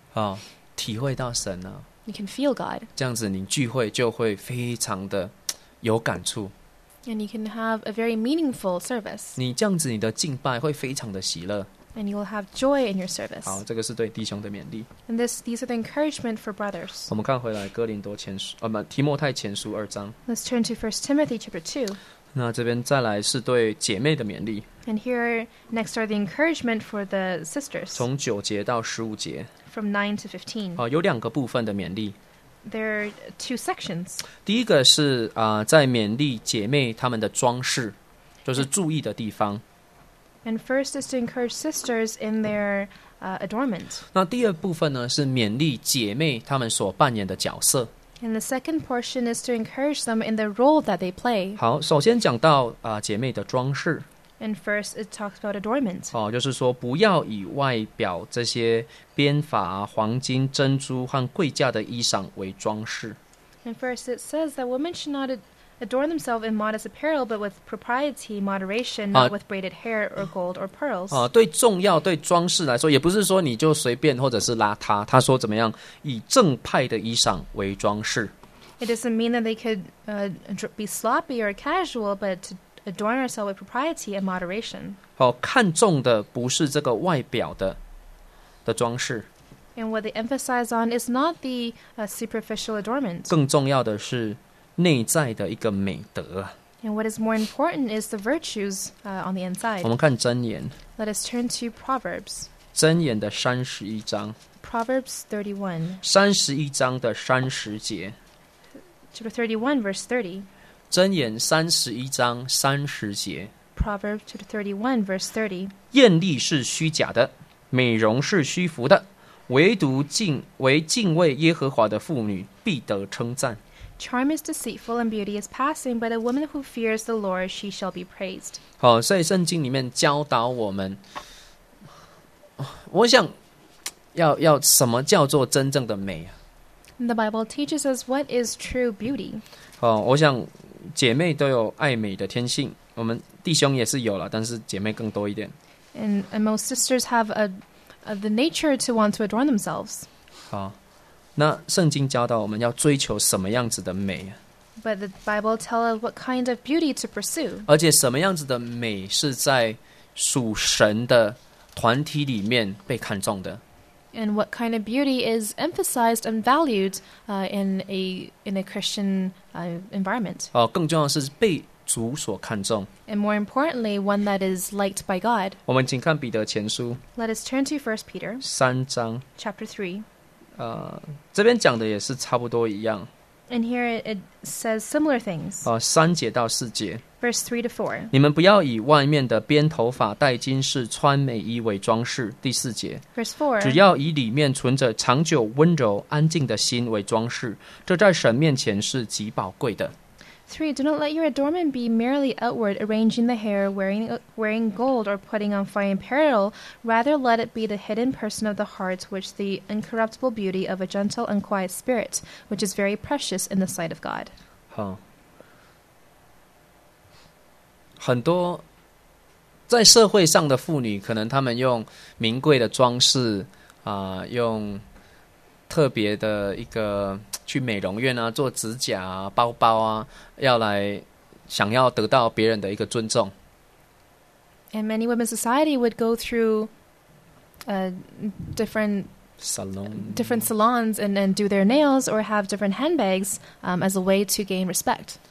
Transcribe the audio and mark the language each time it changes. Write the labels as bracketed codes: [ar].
[zh] 啊，体会到神了。 [en] You can feel God. [zh] 这样子，你聚会就会非常的有感触。 [en] And you can have a very meaningful service. [zh] 你这样子，你的敬拜会非常的喜乐。 [en] And you will have joy in your service. [zh] 好，这个是对弟兄的勉励。 [en] And these are the encouragement for brothers. [zh] 我们看回来哥林多前书，提摩太前书二章。 [en] Let's turn to 1 Timothy chapter 2. [zh] 那这边再来是对姐妹的勉励。 [en] And here next are the encouragement for the sisters. [zh] 从九节到十五节。 [en] From 9 to 15. [zh] 好，有两个部分的勉励。 [en] There are two sections. [zh] 第一个是在勉励姐妹她们的装饰，就是注意的地方。 [en] And first is to encourage sisters in their adornment. [zh] 那第二部分呢，是勉励姐妹她们所扮演的角色。 [en] And the second portion is to encourage them in the role that they play. [zh] 好，首先讲到姐妹的装饰。 [en] And first, it talks about adornment. [zh] 哦，就是说不要以外表这些编法、黄金、珍珠和贵价的衣裳为装饰。 [en] And first, it says that women should not adorn themselves in modest apparel, but with propriety, moderation, not with braided hair or gold or pearls. [zh] 对重要、对装饰来说，也不是说你就随便或者是邋遢。他说怎么样，以正派的衣裳为装饰。 [en] It doesn't mean that they could be sloppy or casual, but to adorn ourselves with propriety and moderation. [zh] 好，看重的不是这个外表的装饰。 [en] And what they emphasize on is not the superficial adornment. [zh] 更重要的是内在的一个美德。 [en] And what is more important is the virtues on the inside. [zh] 我们看箴言。 [en] Let us turn to Proverbs. [zh] 箴言的三十一章。 [en] Proverbs 31. [zh] 三十一章的三十节。 [en] Chapter 31, verse 30. [zh] 箴言三十一章三十节。 [en] Proverbs 31 verse 30. [zh] 艳丽是虚假的，美容是虚浮的，唯独敬为敬畏耶和华的妇女必得称赞。 [en] Charm is deceitful and beauty is passing, but a woman who fears the Lord, she shall be praised. [zh] 好，所以圣经里面教导我们，我想要什么叫做真正的美啊？ [en] The Bible teaches us what is true beauty. [zh] 好，我想姐妹都有爱美的天性，我们弟兄也是有了，但是姐妹更多一点。 [en] And most sisters have the nature to want to adorn themselves. [zh] 好。那圣经教导我们要追求什么样子的美？ [en] But the Bible tells us what kind of beauty to pursue. [zh] 而且什么样子的美是在属神的团体里面被看重的？ [en] And what kind of beauty is emphasized and valued in a Christian environment? [zh] 更重要的是被主所看重。 [en] And more importantly, one that is liked by God. [zh] 我们请看彼得前书。 [en] Let us turn to 1 Peter. [zh] 三章。 [en] Chapter 3. [zh] 这边讲的也是差不多一样。 [en] And here it says similar things. [zh] 三节到四节。 [en] Verse 3 to 4. [zh] 你们不要以外面的编头发、戴金饰、穿美衣为装饰。第四节。 [en] Verse 4. [zh] 只要以里面存着长久、温柔、安静的心为装饰，这在神面前是极宝贵的。 [en] 3. Do not let your adornment be merely outward, arranging the hair, wearing gold, or putting on fine apparel. Rather, let it be the hidden person of the heart, which the incorruptible beauty of a gentle and quiet spirit, which is very precious in the sight of God. [zh] 好，很多在社会上的妇女，可能她们用名贵的装饰，用特别的一个去美容院啊，做指甲啊，包包啊，要来想要得到别人的一个尊重。 [en] And many women's society would go through different salons and do their nails or have different handbags as a way to gain respect.